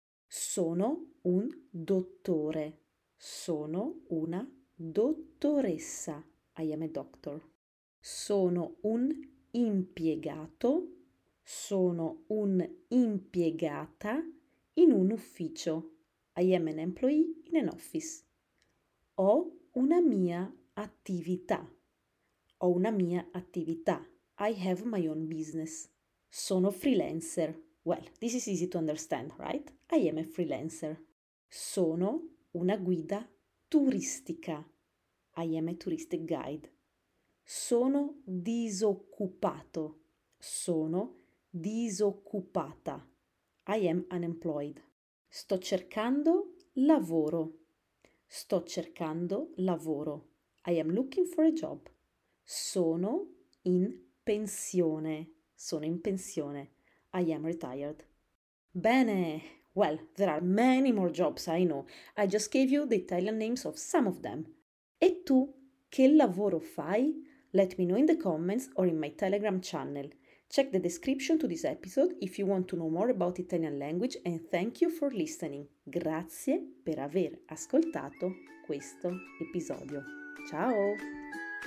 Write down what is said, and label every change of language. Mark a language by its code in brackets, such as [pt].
[it] Sono un dottore. Sono una dottoressa. [en] I am a doctor. [it] Sono un impiegato. Sono un impiegata in un ufficio. [en] I am an employee in an office. [it] Ho una mia attività. Ho una mia attività. [en] I have my own business. [it] Sono freelancer. [en] Well, this is easy to understand, right? I am a freelancer. [it] Sono una guida turistica. [en] I am a touristic guide. [it] Sono disoccupato. Sono disoccupata. [en] I am unemployed. [it] Sto cercando lavoro. Sto cercando lavoro. [en] I am looking for a job. [it] Sono in pensione. Sono in pensione. [en] I am retired. [it] Bene! [en] Well, there are many more jobs, I know. I just gave you the Italian names of some of them. [it] E tu, che lavoro fai? [en] Let me know in the comments or in my Telegram channel. Check the description to this episode if you want to know more about Italian language and thank you for listening. [it] Grazie per aver ascoltato questo episodio. Ciao!